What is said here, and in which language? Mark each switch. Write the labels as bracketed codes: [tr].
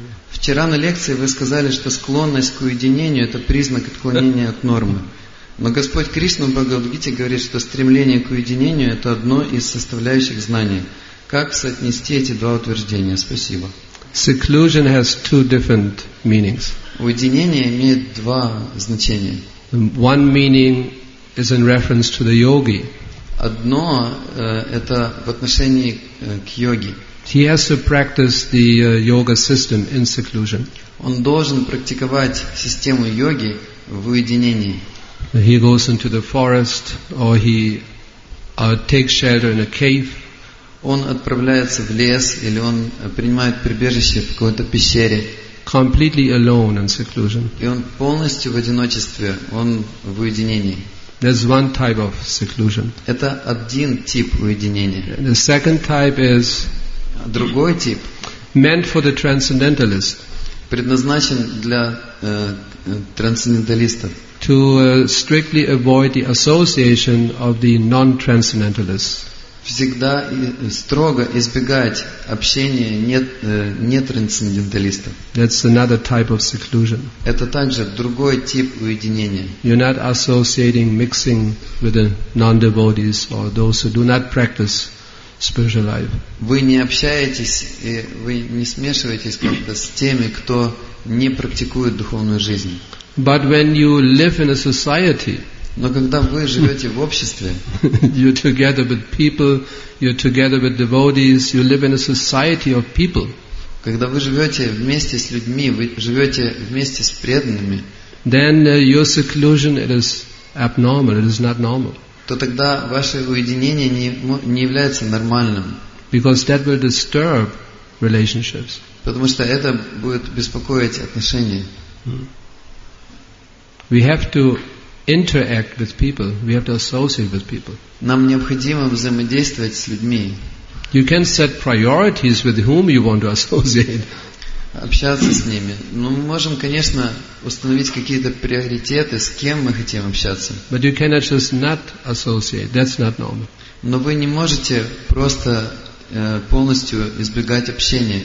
[ru] Вчера на лекции вы сказали, что склонность к уединению — это признак отклонения от нормы. Но Господь Кришна в Бхагавад-гите говорит, что стремление к уединению – это одно из составляющих знания. Как соотнести эти два утверждения? Спасибо. [en] Seclusion has two different meanings. [ru] Уединение имеет два значения. [en] One meaning is in reference to the yogi. [ru] Одно – это в отношении к йоге. [en] He has to practice the yoga system in seclusion. [ru] Он должен практиковать систему йоги в уединении. [en] He goes into the forest, or he takes shelter in a cave. [ru] Он отправляется в лес, или он принимает прибежище в какой-то пещере. [en] Completely alone in seclusion. [ru] И он полностью в одиночестве, он в уединении. [en] There's one type of seclusion. [ru] Это один тип уединения. [en] The second type is [ru] другой тип. [en] Meant for the transcendentalist. [ru] Предназначен для трансценденталистов. [en] To strictly avoid the association of the non-transcendentalists. [ru] Всегда строго избегать общения нетрансценденталистов. [en] That's another type of seclusion. [ru] Это также другой тип уединения. [en] You're not associating, mixing with the non-devotees or those who do not practice spiritual life. [ru] Вы не общаетесь и вы не смешиваетесь как-то с теми, кто не практикует духовную жизнь. [en] But when you live in a society, [ru] но когда вы живете в обществе, [en] you're together with people, you're together with devotees, you live in a society of people. [ru] Когда вы живете вместе с людьми, вы живете вместе с преданными, [en] then your seclusion it is abnormal, it is not normal. [ru] То тогда ваше уединение не является нормальным. [en] Because that will disturb relationships. [ru] Потому что это будет беспокоить отношения. [en] We have to interact with people. We have to associate with people. [ru] Нам необходимо взаимодействовать с людьми. [en] You can set priorities with whom you want to associate. [ru] общаться с ними. Но мы можем, конечно, установить какие-то приоритеты, с кем мы хотим общаться. [en] But you cannot just not associate. That's not normal. [ru] Но вы не можете просто полностью избегать общения.